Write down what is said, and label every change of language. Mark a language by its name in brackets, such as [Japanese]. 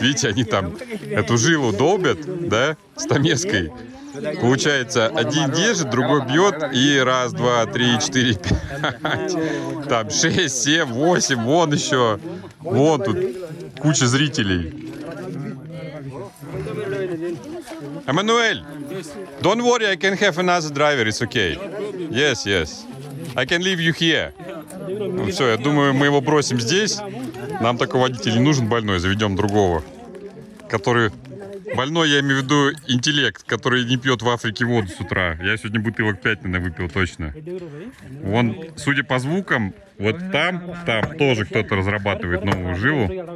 [Russian] Видите, они там эту жилу долбят, да, стамеской. Получается, один держит, другой бьет, и раз, два, три, четыре, пять, там, шесть, семь, восемь, вон еще, вон тут куча зрителей. [English] Эммануэль, don't worry, I can have another driver, it's okay. Yes, yes, I can leave you here. [Russian] Ну все, я думаю, мы его бросим здесь, нам такой водитель не нужен больной, заведем другого, который... Больной, я имею в виду интеллект, который не пьет в Африке воду с утра. Я сегодня бутылок 5 не выпил точно. Вон, судя по звукам, вот там, там тоже кто-то разрабатывает новую жилу.